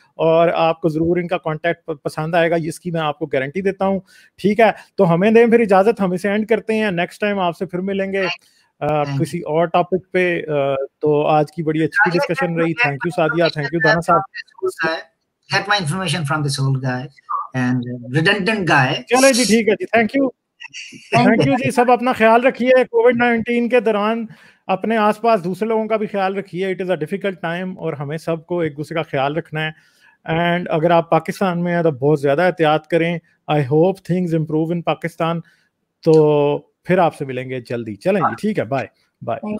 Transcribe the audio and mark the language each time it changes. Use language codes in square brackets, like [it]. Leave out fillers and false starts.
[hi] और आपको जरूर इनका कॉन्टेक्ट पसंद आएगा, इसकी मैं आपको गारंटी देता हूँ. ठीक है तो हमें दें फिर इजाजत, हम इसे एंड करते हैं. नेक्स्ट टाइम आपसे फिर मिलेंगे किसी और टॉपिक पे. तो आज की बड़ी अच्छी डिस्कशन रही. Thank you Sadia, thank you दाना साहब. [en] Get my information from this old guy and redundant guy. [hi] चलो जी ठीक है जी. Thank you. थैंक यू जी. सब अपना ख्याल रखिए COVID-19 के दौरान. अपने आसपास दूसरे लोगों का भी ख्याल रखिए. [en] it is a difficult time [hi] और हमें सबको एक दूसरे का ख्याल रखना है. एंड अगर आप पाकिस्तान में हैं तो बहुत ज्यादा एहतियात करें. [en] I hope things improve in Pakistan. [hi] तो फिर आपसे मिलेंगे जल्दी. चलेंगे ठीक है. Bye bye.